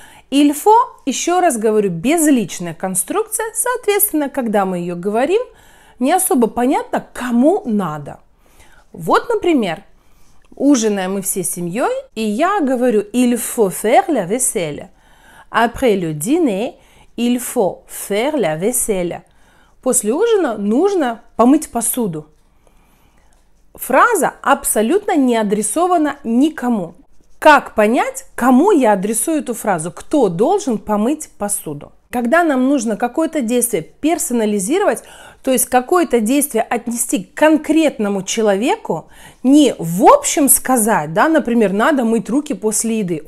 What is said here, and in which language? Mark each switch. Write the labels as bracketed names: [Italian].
[Russian] «Il faut», еще раз говорю, безличная конструкция, соответственно, когда мы ее говорим, не особо понятно, кому надо. Вот, например, ужинаем мы всей семьей, и я говорю [French] «il faut faire la vaisselle». «Après le dîner, il faut faire la vaisselle». [Russian] После ужина нужно помыть посуду. Фраза абсолютно не адресована никому. Как понять, кому я адресую эту фразу? Кто должен помыть посуду? Когда нам нужно какое-то действие персонализировать, то есть какое-то действие отнести к конкретному человеку, не в общем сказать, да, например, надо мыть руки после еды.